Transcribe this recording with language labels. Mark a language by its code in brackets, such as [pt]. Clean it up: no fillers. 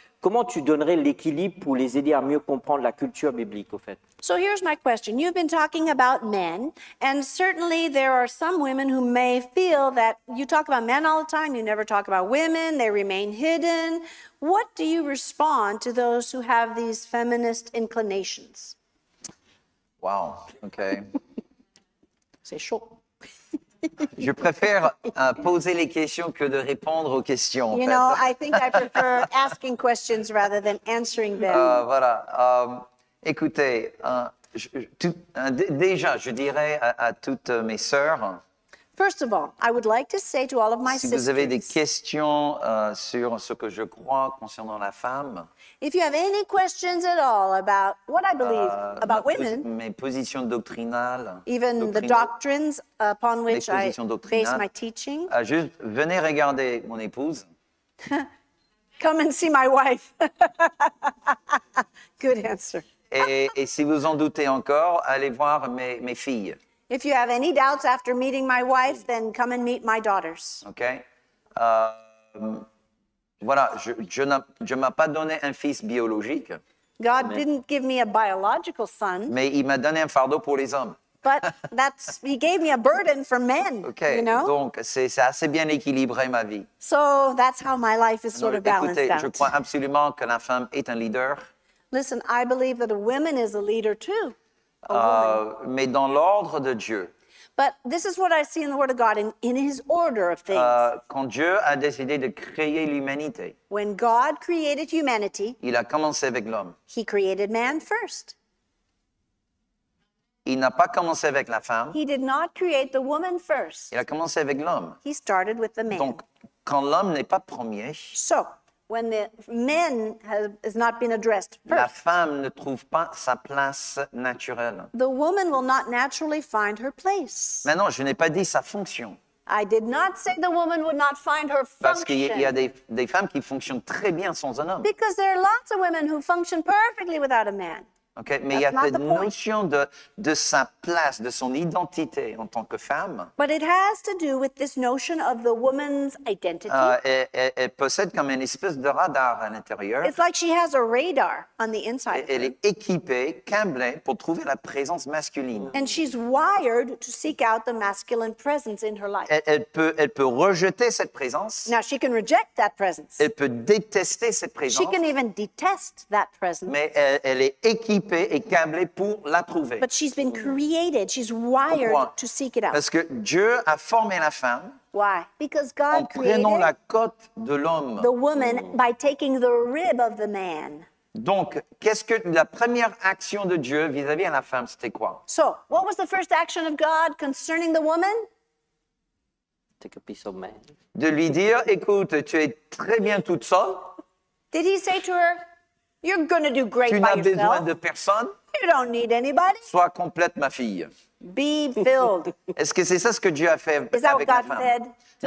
[fr] Comment tu donnerais l'équilibre pour les aider à mieux comprendre la culture biblique, au fait? [en] So here's my question. You've been talking about men, and certainly there are some women who may feel that you talk about men all the time, you never talk about women, they remain hidden. What do you respond to those who have these feminist inclinations? Wow, okay. [fr] C'est chaud. Je préfère poser les questions que de répondre aux questions. [en] You know, I think I prefer asking questions rather than answering them. [fr] Voilà. Écoutez, déjà, je dirais à toutes mes sœurs. [en] First of all, I would like to say to all of my sisters. [fr] Si vous avez des questions sur ce que je crois concernant la femme. [en] If you have any questions at all about what I believe about women. [fr] Mes positions doctrinales. [en] Even the doctrines upon which I base my teaching. [fr] Juste venez regarder mon épouse. [en] Come and see my wife. Good answer. [fr] Et si vous en doutez encore, allez voir mes filles. [en] If you have any doubts after meeting my wife, then come and meet my daughters. Okay. [fr] Voilà, je m'a pas donné un fils biologique. [en] God didn't give me a biological son. [fr] Mais il m'a donné un fardeau pour les hommes. [en] But that's he gave me a burden for men. Okay. You know. [fr] Donc c'est assez bien équilibré ma vie. [en] So that's how my life is sort of balanced [fr] écoutez, [en] out. [fr] Je crois absolument que la femme est un leader. [en] Listen, I believe that a woman is a leader too. [fr] Mais dans l'ordre de Dieu. [en] But this is what I see in the Word of God in his order of things. [fr] Quand Dieu a décidé de créer l'humanité, [en] when God created humanity, [fr] il a commencé avec l'homme. [en] He created man first. [fr] Il n'a pas commencé avec la femme. [en] He did not create the woman first. [fr] Il a commencé avec l'homme. [en] He started with the man. [fr] Donc, quand l'homme n'est pas premier, [en] so, when the man has not been addressed first, [fr] la femme ne trouve pas sa place naturelle. [en] The woman will not naturally find her place. [fr] Mais non, je n'ai pas dit sa fonction. [en] I did not say the woman would not find her function. [fr] Parce qu'il y a des femmes qui fonctionnent très bien sans un homme. [en] Because there are lots of women who function perfectly without a man. [fr] Okay, mais il y a cette notion de sa place, de son identité en tant que femme. [en] But it has to do with this notion of the woman's identity. [fr] Elle possède comme une espèce de radar à l'intérieur. [en] It's like she has a radar on the inside. [fr] Elle est équipée, câblée pour trouver la présence masculine. [en] And she's wired to seek out the masculine presence in her life. [fr] Elle peut rejeter cette présence. [en] Now she can reject that presence. [fr] Elle peut détester cette présence. [en] She can even detest that presence. [fr] Mais elle est équipée et câblée pour la trouver. [en] But she's been created. She's wired. [fr] Pourquoi? [en] To seek it out. [fr] Parce que Dieu a formé la femme. [en] Why? Because God created. [fr] En prenant la côte de l'homme. [en] The woman by taking the rib of the man. [fr] Donc, qu'est-ce que la première action de Dieu vis-à-vis de la femme, c'était quoi? [en] So, what was the first action of God concerning the woman? Take a piece of man. [fr] De lui dire, écoute, tu es très bien toute seule. [en] Did he say to her, you're going to do great [fr] tu [en] by yourself. [fr] Tu n'as besoin de personne. [en] You don't need anybody. [fr] Sois complète, ma fille. [en] Be filled. [fr] Est-ce que c'est ça ce que Dieu a fait avec la femme? [en] Is that what God said to